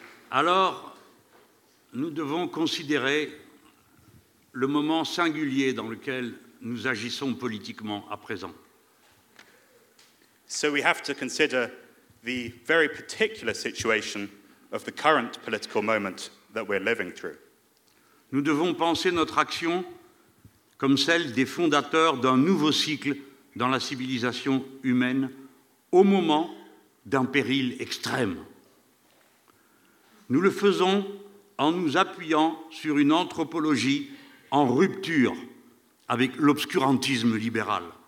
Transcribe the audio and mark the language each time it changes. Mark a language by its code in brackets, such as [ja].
[fr] Alors, nous devons considérer le moment singulier dans lequel nous agissons politiquement à présent. [en] So we have to consider the very particular situation of the current political moment that we're living through. [fr] Nous devons penser notre action comme celle des fondateurs d'un nouveau cycle dans la civilisation humaine au moment d'un péril extrême. Nous le faisons en nous appuyant sur une anthropologie en rupture avec l'obscurantisme libéral.